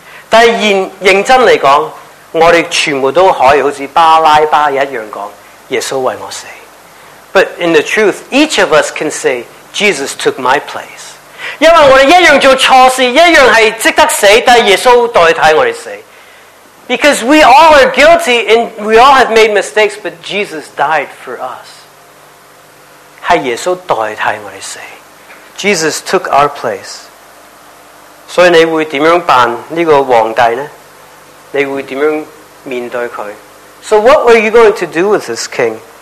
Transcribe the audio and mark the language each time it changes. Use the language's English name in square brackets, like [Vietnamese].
[Chinese] 但是認真來說，我們全部都可以像巴拉巴一樣說，耶穌為我死。 [English] But in the truth, each of us can say, Jesus took my place. [Chinese] 因為我們一樣做錯事，一樣是值得死，但是耶穌代替我們死。 [English] Because we all are guilty and we all have made mistakes, but Jesus died for us. [Chinese] 是耶穌代替我們死。 [English] Jesus took our place. [Chinese] 所以你會怎樣扮這個皇帝呢? 你會怎樣面對他? [English] So what were you going to do with this king?